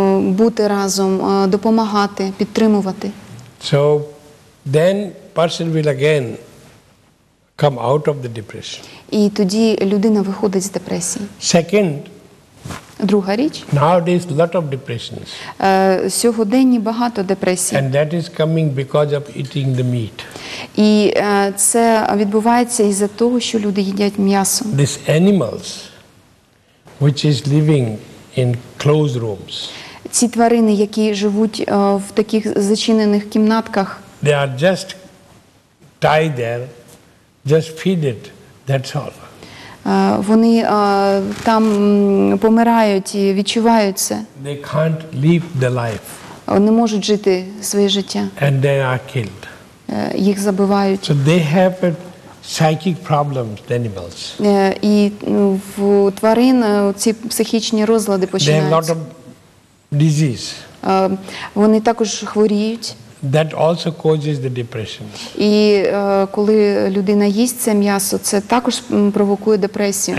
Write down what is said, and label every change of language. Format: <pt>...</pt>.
<uk>Бути разом, допомагати, підтримувати.</uk> <en>So then person will again come out of the depression.</en> <uk>І тоді людина виходить з депресії.</uk> <en>Second.</en> <uk>Друга річ.</uk> <en>Nowadays lot of depressions.</en> <uk>Сьогодні багато депресій.</uk> <en>And that is coming because of eating the meat.</en> <uk>І це відбувається із-за того, що люди їдять м'ясо.</uk> <en>These animals which is living in closed rooms.</en> <uk>Ці тварини, які живуть в таких зачинених кімнатках.</uk> <en>They are just tied there, just feed it, that's all.</en> <uk>вони там помирають і відчувають це.</uk> <en>They can't live the life.</en> <uk>Вони можуть жити своє життя.</uk> <en>And they are killed.</en> <uk>Їх забивають.</uk> <en>So they have a psychic problems, the animals.</en> <uk>І в тварин ці психічні розлади починаються.</uk> <en>They have a lot of disease.</en> <uk>Вони також хворіють.</uk> <en>That also causes the depression.</en> <uk>І коли людина їсть це м'ясо, це також провокує депресію.</uk>